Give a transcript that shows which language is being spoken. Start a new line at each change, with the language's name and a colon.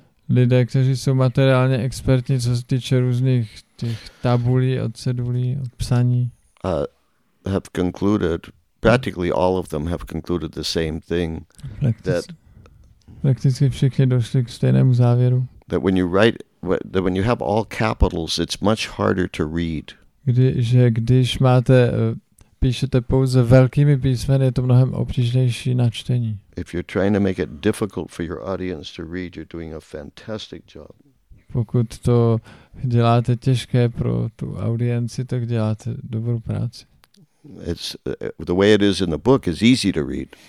Czech: Lidé, kteří jsou materiálně expertní, co se týče různých těch tabulí, odcedulí, psaní.
English: Have concluded practically all of them have concluded the same thing.
Czech: Prakticky všichni došli k stejnému závěru.
English: That when you write, that when you have all capitals, it's much harder to read.
Czech: Když máte, píšete pouze velkými písmeny, je to mnohem obtížnější na čtení.
English: If you're trying to make it difficult for your audience to read, you're doing a fantastic job.
Czech: Pokud to děláte těžké pro tu audienci, tak děláte dobrou práci.
English: It's the way it is in the book is easy to read.